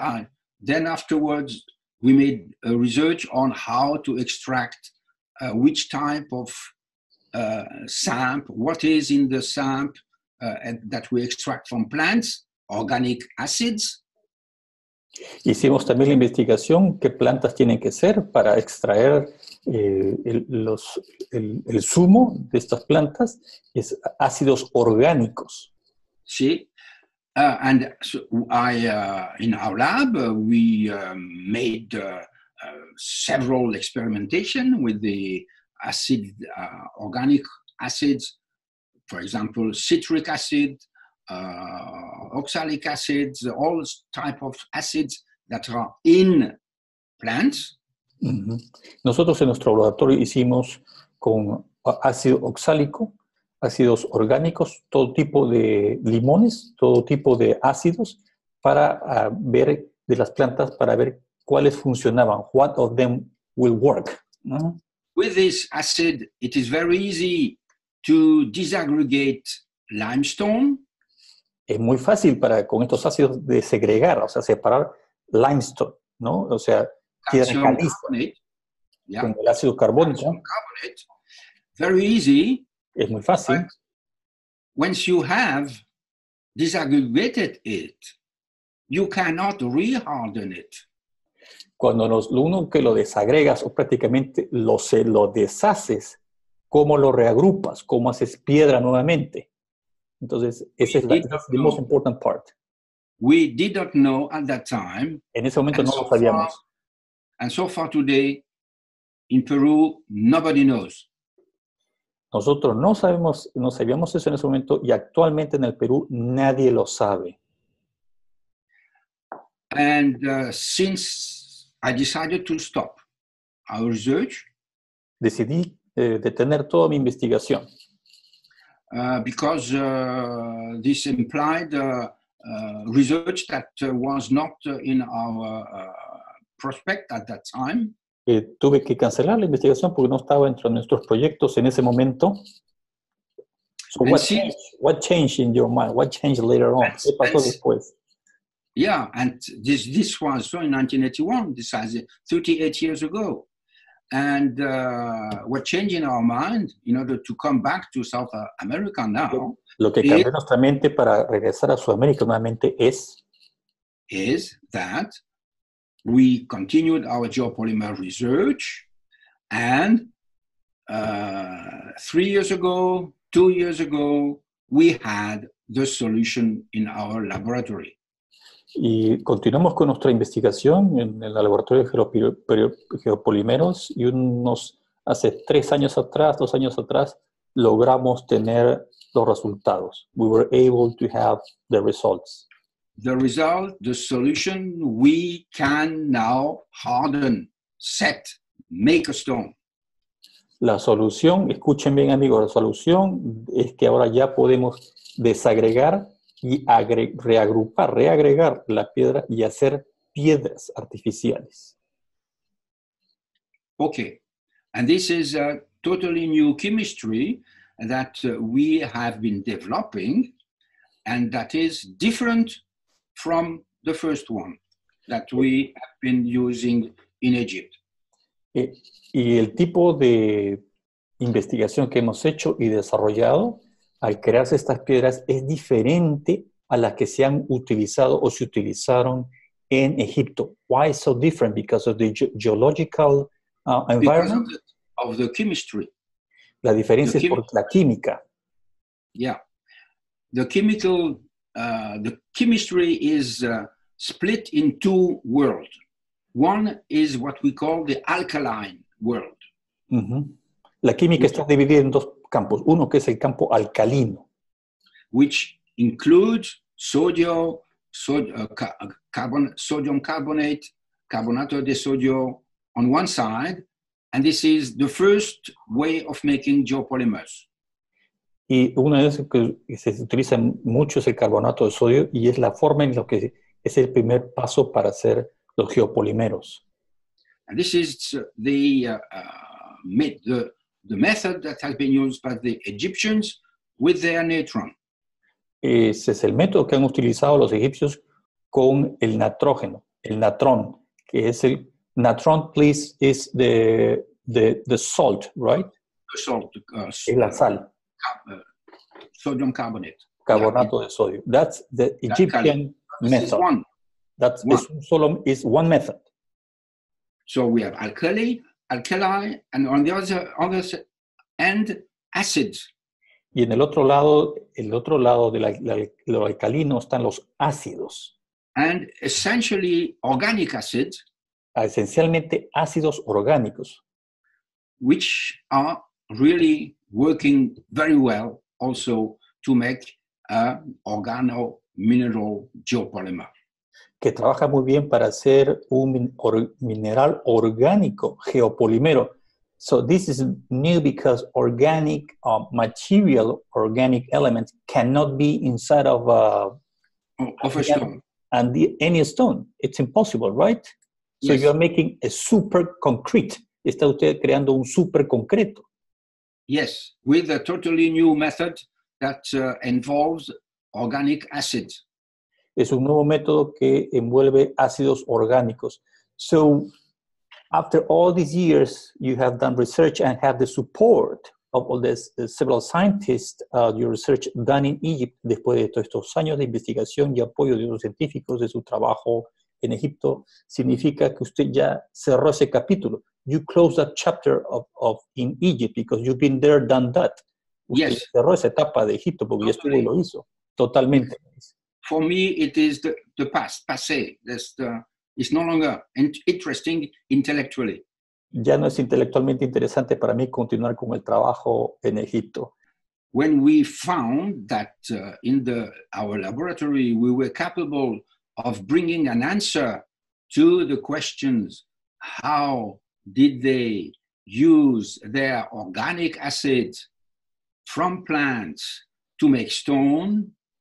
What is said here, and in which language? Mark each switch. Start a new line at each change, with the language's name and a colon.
English: And then afterwards, we made a research on how to extract which type of sample, what is in the sample that we extract from plants, organic acids.
Spanish: Hicimos también la investigación qué plantas tienen que ser para extraer el zumo de estas plantas, es ácidos orgánicos.
English: Sí, and so I in our lab we made several experimentation with the acid organic acids, for example citric acid, oxalic acids, all type of acids that are in plants. Mm-hmm.
Spanish: Nosotros en nuestro laboratorio hicimos con ácido oxálico, ácidos orgánicos, todo tipo de limones, todo tipo de ácidos para ver de las plantas para ver cuáles funcionaban.
English: What of them will work?
Spanish: ¿No?
English: With this acid, it is very easy to disaggregate limestone.
Spanish: Es muy fácil para con estos ácidos de segregar, o sea, separar limestone, ¿no? O sea, piedra caliza.
English: Yeah.
Spanish: Con el ácido carbónico.
English: Very easy.
Spanish: Es muy fácil.
English: Once you have disaggregated it, you cannot reharden it.
Spanish: Cuando lo uno que lo desagregas o prácticamente lo deshaces, ¿cómo lo reagrupas? ¿Cómo haces piedra nuevamente? Entonces, esa es la
English: most important part. We did not know at that time.
Spanish: En ese momento no lo sabíamos.
English: And so far today, in Peru, nobody knows.
Spanish: Nosotros no sabíamos eso en ese momento y actualmente en el Perú nadie lo sabe.
English: And since I decided to stop our research,
Spanish: decidí detener toda mi investigación.
English: Because this implied research that was not in our prospect at that time.
Spanish: Tuve que cancelar la investigación porque no estaba entre nuestros proyectos en ese momento.
English: So what changed in your mind? What changed later on?
Spanish: ¿Qué pasó después?
English: Yeah, and this was so in 1981. This is 38 years ago. And what changed in our mind in order to come back to South America now?
Spanish: Lo que cambió nuestra mente para regresar a Sudamérica nuevamente es
English: that we continued our geopolymer research, and 3 years ago, 2 years ago, we had the solution in our laboratory.
Spanish: Y continuamos con nuestra investigación en el laboratorio de geopolimeros y hace 3 años atrás, 2 años atrás, logramos tener los resultados.
English: We were able to have the results. The result, the solution, we can now harden, set, make a stone.
Spanish: La solución, escuchen bien amigos, la solución es que ahora ya podemos desagregar y reagregar la piedra y hacer piedras artificiales.
English: Okay, and this is a totally new chemistry that we have been developing and that is different from the first one that we have been using in Egypt.
Spanish: Y el tipo de investigación que hemos hecho y desarrollado al crearse estas piedras es diferente a las que se han utilizado o se utilizaron en Egipto.
English: Why so different? Because of the geological environment? Because of the chemistry.
Spanish: La diferencia es por la química.
English: Yeah. The chemistry is split in two worlds. One is what we call the alkaline world.
Spanish: Uh-huh. La química está dividida en dos campos. Uno que es el campo alcalino.
English: which includes sodium carbonate,
Spanish: carbonato de sodio
English: on one side, and this is the first way of making geopolymers.
Spanish: Y una de esas que se utiliza mucho es el carbonato de sodio y es la forma en la que es el primer paso para hacer los geopolímeros.
English: And this is the method that has been used by the Egyptians with their natron.
Spanish: Ese es el método que han utilizado los egipcios con el nitrógeno, el natrón, que es el natron,
English: please, is the salt, right? The salt.
Spanish: Es la sal.
English: Sodium carbonate.
Spanish: Carbonato de sodio.
English: That's the Egyptian method. This is one. Is one method. So we have alkali, and on the other end, acid.
Spanish: Y en el otro lado de lo alcalino están los ácidos.
English: And essentially organic acid.
Spanish: Esencialmente ácidos orgánicos.
English: Which are really working very well also to make an organo-mineral geopolymer.
Spanish: Que trabaja muy bien para hacer un mineral orgánico geopolímero.
English: So this is new because organic material, organic elements cannot be inside of a stone. And any stone. It's impossible, right? So yes. You're making a super concrete.
Spanish: Está usted creando un super concreto.
English: Yes, with a totally new method that involves organic acid.
Spanish: Es un nuevo método que envuelve ácidos orgánicos.
English: So, after all these years, you have done research and have the support of all these several scientists, your research done in Egypt,
Spanish: después de todos estos años de investigación y apoyo de otros científicos de su trabajo en Egipto, significa que usted ya cerró ese capítulo.
English: You closed that chapter of in Egypt because you've been there, done that.
Spanish: Usted
English: yes.
Spanish: Cerró esa etapa de Egipto porque
English: totally.
Spanish: Ya estuvo y lo hizo. Totalmente.
English: For me, it is the past, passé. It's no longer interesting intellectually.
Spanish: Ya no es intelectualmente interesante para mí continuar con el trabajo en Egipto.
English: When we found that in our laboratory we were capable of bringing an answer to the questions, how did they use their organic acid from plants to make stone?